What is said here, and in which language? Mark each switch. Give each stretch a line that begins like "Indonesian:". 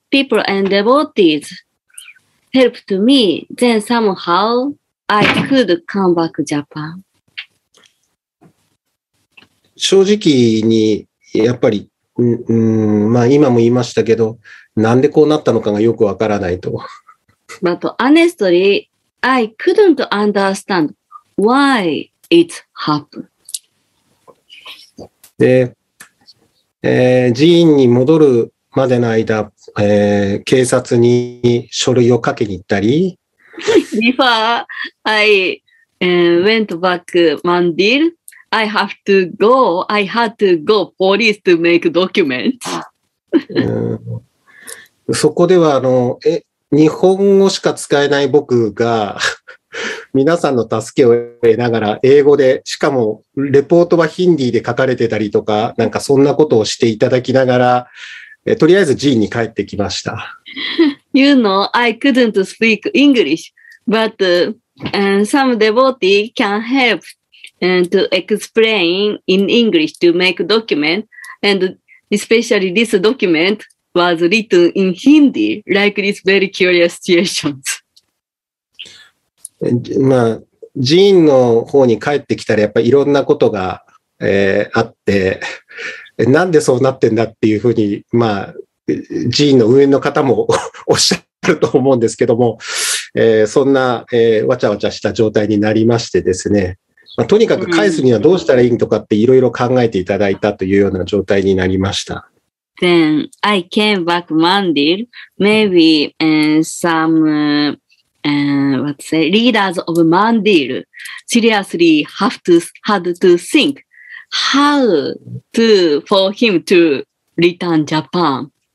English: people and devotees helped me, then somehow I could come back Japan.
Japanese: 正直に、やっぱり、まあ今も言いましたけど、なんでこうなったのかがよくわからないと。
English: But honestly, I couldn't understand why it happened.
Japanese: で、寺院に戻るまでの間、警察に書類を書きに行ったり。
English: Before I went back Mandir, I have to go, I had to go police to make documents.
Japanese: そこでは、日本語しか使えない僕が皆さんの助けを得ながら英語で、しかもレポートはヒンディーで書かれてたりとか、なんかそんなことをしていただきながら、とりあえず寺院に帰ってきました。
English: You know, I couldn't speak English, but some devotee can help to explain in English to make document, and especially this document was written in Hindi, like this very curious situation.
Japanese: まあ、寺院の方に帰ってきたらやっぱりいろんなことが、あって、なんでそうなってんだっていうふうに、まあ、寺院の運営の方もおっしゃると思うんですけども、そんな、わちゃわちゃした状態になりましてですね、まあ、とにかく返すにはどうしたらいいとかっていろいろ考えていただいたというような状態になりました。
English: Then I came back Mandir, maybe leaders of Mandir seriously had to think how to for him to return Japan.